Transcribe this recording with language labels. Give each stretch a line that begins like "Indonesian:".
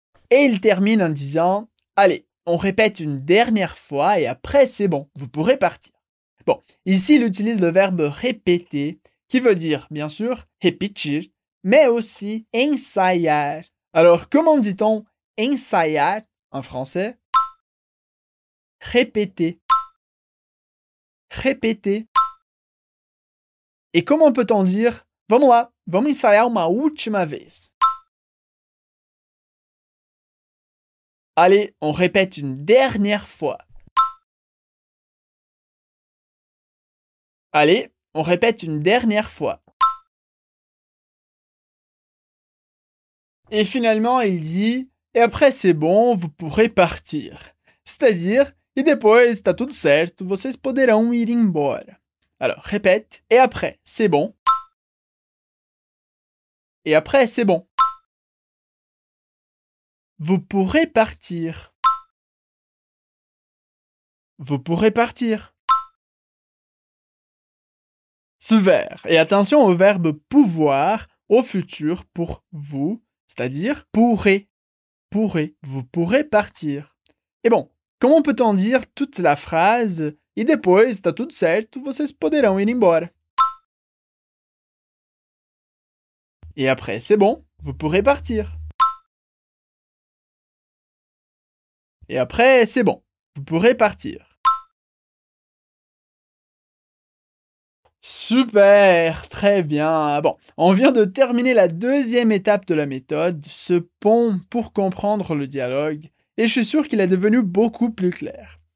French: Et il termine en disant « Allez, on répète une dernière fois et après c'est bon, vous pourrez partir. » Bon, ici il utilise le verbe « répéter » qui veut dire, bien sûr, « repetir », mais aussi « ensaiar ». Alors, comment dit-on « ensaiar » en français ?« Répéter ». « Répéter ». Et comment peut-on dire «
Portuguese: Vamos lá, vamos ensaiar uma última vez ».
French: Allez, on répète une dernière fois. Allez, on répète une dernière fois. Et finalement, il dit, et après c'est bon, vous pourrez partir. C'est-à-dire,
Portuguese: e depois está tudo certo, vocês poderão ir embora.
French: Alors, répète, et après c'est bon. Et après c'est bon. Vous pourrez partir. Vous pourrez partir. Super. Et attention au verbe pouvoir au futur pour vous, c'est-à-dire pourrez. vous pourrez partir. Et bon, comment peut-on dire toute la phrase
Portuguese: e depois, tá tudo certo, vocês poderão ir embora.
French: Et après, c'est bon, vous pourrez partir. Et après, c'est bon, vous pourrez partir. Super, très bien. Bon, on vient de terminer la deuxième étape de la méthode, ce pont pour comprendre le dialogue, et je suis sûr qu'il est devenu beaucoup plus clair.